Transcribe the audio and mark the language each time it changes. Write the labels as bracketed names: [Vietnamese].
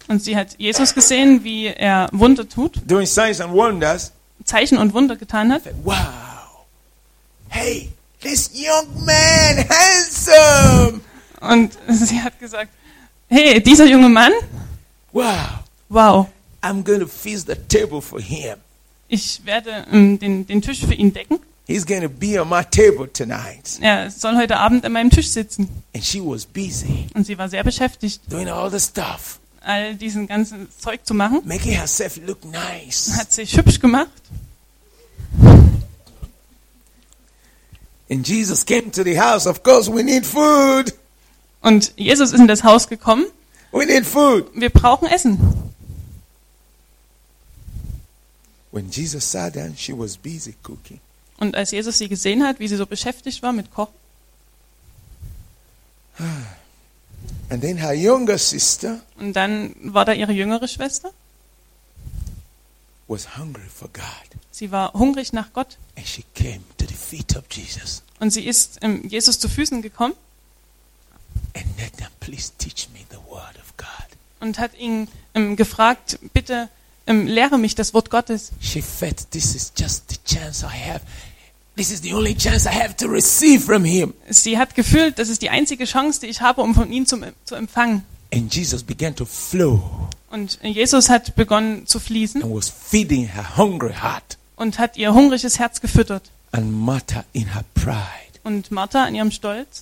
[German] Und sie hat Jesus gesehen, wie er Wunder tut. [English] Doing signs and wonders. [German] Zeichen und Wunder getan hat. [English] Wow. Hey, this young man, handsome. [German] Und sie hat gesagt, hey, dieser junge Mann. [English] Wow. Wow. I'm going to fix the table for him. [German] Ich werde den Tisch für ihn decken. [English] He's going to be on my table tonight. [German] Er soll heute Abend an meinem Tisch sitzen. [English] And she was busy. [German] Und sie war sehr beschäftigt. [English] Doing all the stuff. [German] All diesen ganzen Zeug zu machen. [English] Making herself look nice. [German] Hat sich hübsch gemacht. [English] And Jesus came to the house. Of course we need food. [German] Und Jesus ist in das Haus gekommen. [English] We need food. [German] Wir brauchen Essen. [English] When Jesus sat down, she was busy cooking. [German] Und als Jesus sie gesehen hat, wie sie so beschäftigt war mit Kochen. [English] And then her younger sister. [German] Und dann war da ihre jüngere Schwester. [English] Was hungry for God. [German] Sie war hungrig nach Gott. [English] And she came to the feet of Jesus. [German] Und sie ist Jesus zu Füßen gekommen. [English] And Nathan, please teach me the word of God. [German] Und hat ihn gefragt, bitte lehre mich das Wort Gottes. [English] She felt this is just the chance I have. This is the only chance I have to receive from him. [German] Sie hat gefühlt, das ist die einzige Chance, die ich habe, um von ihm zu empfangen. [English] And Jesus began to flow. [German] Und Jesus hat begonnen zu fließen. [English] And was feeding her hungry heart. [German] Und hat ihr hungriges Herz gefüttert. [English] And Martha in her pride. [German] Und Martha in ihrem Stolz